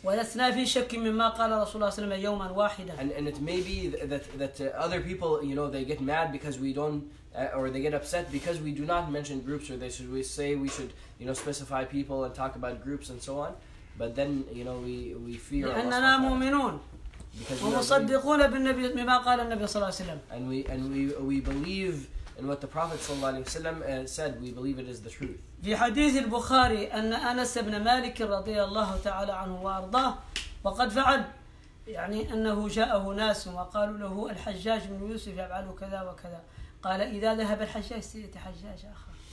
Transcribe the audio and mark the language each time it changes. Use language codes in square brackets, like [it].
[ar] ولسنا في شك مما قال رسول الله صلى الله عليه وسلم يوما واحدا. [en] And it may be that other people they get mad because we don't or they get upset because we do not mention groups or we should specify people and talk about groups and so on, but then we fear. [ar] لأننا مؤمنون. ومصدقون بالنبي مما قال النبي صلى الله عليه وسلم. [en] And we believe in what the Prophet [ar] صلى الله عليه وسلم [en] said. We believe it is the truth. [ar] في حديث البخاري أن أنس بن مالك رضي الله تعالى عنه وأرضاه وقد فعل أنه جاءه ناس وقالوا له الحجاج بن يوسف يفعل كذا وكذا قال إذا ذهب الحجاج سيأتي حجاج آخر.